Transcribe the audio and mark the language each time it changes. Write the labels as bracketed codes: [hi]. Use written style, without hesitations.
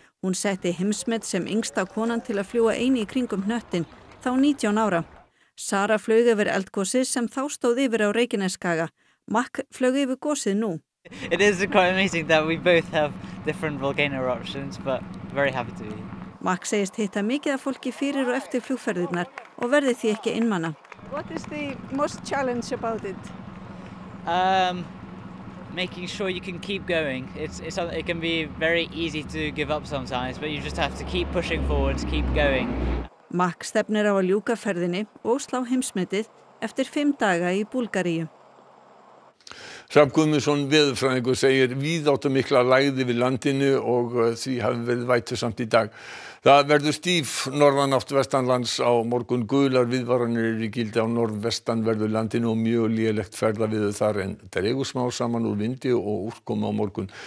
[is] Hún setti heimsmet sem yngsta konan til að fljúga eini í kringum hnöttin, þá 19 ára. Sara flaug yfir eldgosið sem þá stóð yfir á Reykjanesskaga. Mark flaug yfir gosið nú. [en] It is quite amazing that we both have different volcano eruptions, but very happy to be. [is] Mark segist hitta mikið af fólki fyrir og eftir flugferðirnar og verði því ekki innmanna. [en] What is the most challenge about it? Making sure you can keep going. It can be very easy to give up sometimes, but you just have to keep pushing forward, keep going. [is] Mark stefnir á að ljúka ferðinni og slá heimsmetið eftir 5 daga í Búlgaríu. Hrafn Guðmundsson veðurfræðingur segir víðáttu mikla lægði við landinu og því hafi verið vætusamt í dag. Það verður stíf norðanátt vestanlands á morgun gular viðvaranir eru í gildi á norðvestan verður landinu og mjög lélegt ferðaveður þar en dregur smá saman úr vindi og úrkomu á morgun.